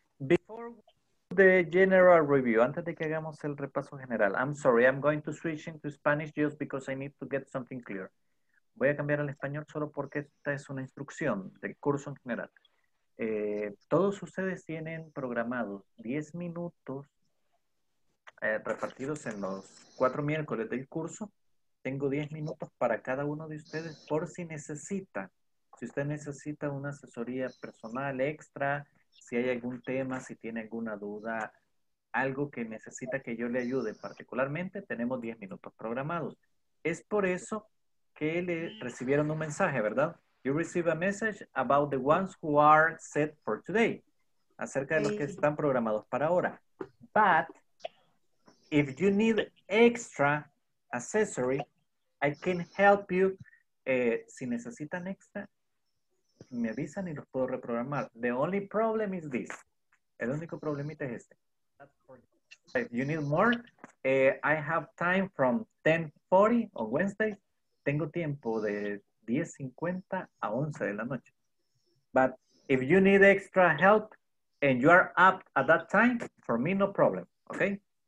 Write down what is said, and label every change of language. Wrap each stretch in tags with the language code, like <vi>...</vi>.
<en>Before the general review,</en> <es>antes de que hagamos el repaso general,</es> <en>I'm sorry, I'm going to switch into Spanish just because I need to get something clear.</en> <es>Voy a cambiar al español solo porque esta es una instrucción del curso en general. Todos ustedes tienen programados 10 minutos repartidos en los 4 miércoles del curso. Tengo 10 minutos para cada uno de ustedes por si necesita. Si usted necesita una asesoría personal extra, si hay algún tema, si tiene alguna duda, algo que necesita que yo le ayude particularmente, tenemos 10 minutos programados. Es por eso que le recibieron un mensaje, ¿verdad?</es> <en>You receive a message about the ones who are set for today.</en> <es>Acerca de los que están programados para ahora.</es> <en>But if you need extra accessory, I can help you.</en> <es>Si necesitan extra, me avisan y los puedo reprogramar.</es> <en>The only problem is this.</en> <es>El único problemita es este.</es> <en>If you need more, I have time from 10:40 on Wednesday.</en> <es>Tengo tiempo de 10:50 a 11 de la noche.</es> <en>But if you need extra help and you are up at that time, for me, no problem, okay?</en>